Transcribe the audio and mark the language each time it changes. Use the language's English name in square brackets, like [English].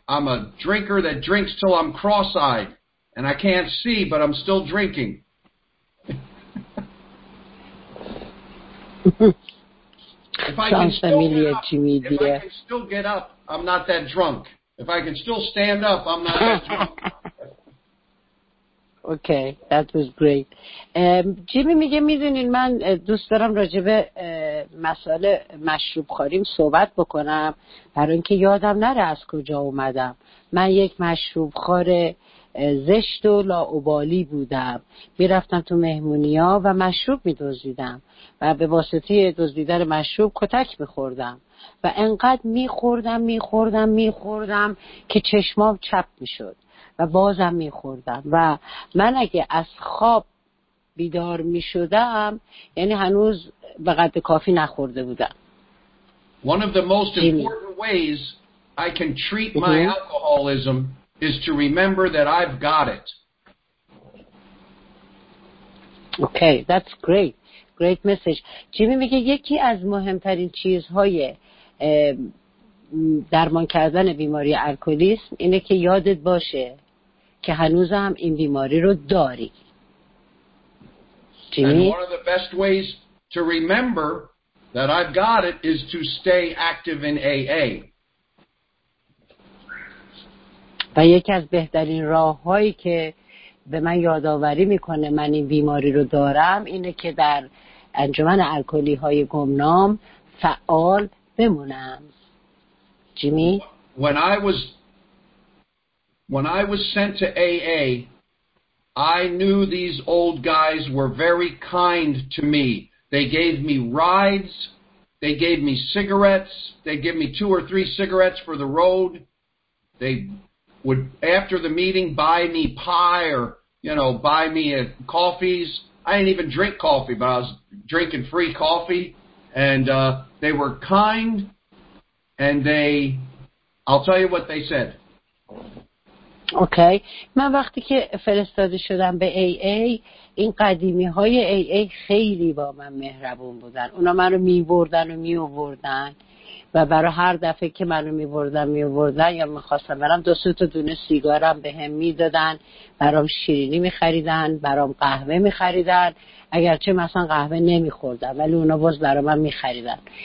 [English] I'm a drinker that drinks till I'm cross-eyed. And I can't see, but I'm still drinking. If I can still get up, I'm not that drunk. If I can still stand up, I'm not that drunk. Okay, that was great. [Persian] جیمی میگه میدونین من دوست دارم راجع به مسائل مشروب خوریم صحبت بکنم برای اینکه یادم نره از کجا اومدم. من یک مشروب خور زشت و لاابالی بودم. میرفتم تو مهمونی ها و مشروب میدزدیدم و به واسطه دزدیدن مشروب کتک میخوردم و انقدر میخوردم که چشمام چپ میشد و بازم میخوردم و من اگه از خواب بیدار میشدم یعنی هنوز به قد کافی نخورده بودم. [English] One of the most important ways I can treat my alcoholism is to remember that I've got it. Okay, that's great. Great message. [Persian] Jimmy میگه یکی از مهمترین چیزهای درمان کردن بیماری الکلیسم اینه که یادت باشه که هنوز هم این بیماری رو داری. [English] And one of the best ways to remember that I've got it is to stay active in AA. [Persian] و یکی از بهترین راه‌هایی که به من یادآوری می‌کنه من این بیماری رو دارم اینه که در انجمن الکلی‌های گمنام فعال بمونم. جیمی؟ [English] When I was sent to AA, I knew these old guys were very kind to me. They gave me rides, they gave me cigarettes, they gave me two or three cigarettes for the road. They would, after the meeting, buy me pie or, you know, buy me coffees. I didn't even drink coffee, but I was drinking free coffee. And they were kind, and they, I'll tell you what they said. Okay. [Persian] من وقتی که فرستاده شدم به AA این قدیمی های AA خیلی با من مهربون بودن. اونا من رو میبردن و میوردن و برای هر دفعه که من رو میبردن یا میخواستم برم دو سه تا دونه سیگارم به هم میدادن، برام شیرینی میخریدن، برام قهوه میخریدن، اگرچه مثلا قهوه نمیخوردم ولی اونا باز برای من میخریدن.